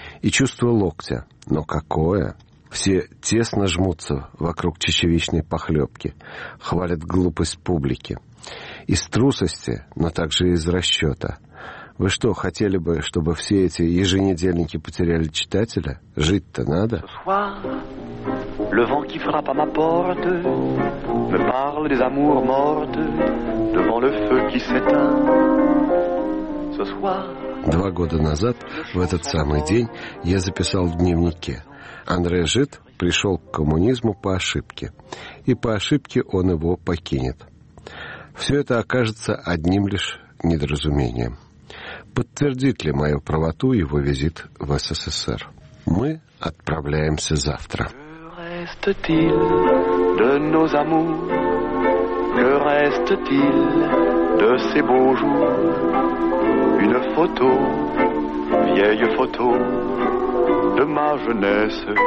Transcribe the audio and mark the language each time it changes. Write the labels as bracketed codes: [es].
[ru] И чувство локтя. Но какое? Все тесно жмутся вокруг чечевичной похлебки. Хвалят глупость публики. Из трусости, но также из расчета. Вы что, хотели бы, чтобы все эти еженедельники потеряли читателя? Жить-то надо. [fr] Le vent qui frappe à ma porte me parle des amours mortes devant le feu qui s'éteint ce soir. [ru] 2 года назад, в этот самый день, я записал в дневнике. Андре Жид пришел к коммунизму по ошибке. И по ошибке он его покинет. Все это окажется одним лишь недоразумением. Подтвердит ли мою правоту его визит в СССР? Мы отправляемся завтра. [fr] reste-t-il de nos amours? Que reste-t-il de ces beaux jours? Une photo, vieille photo de ma jeunesse.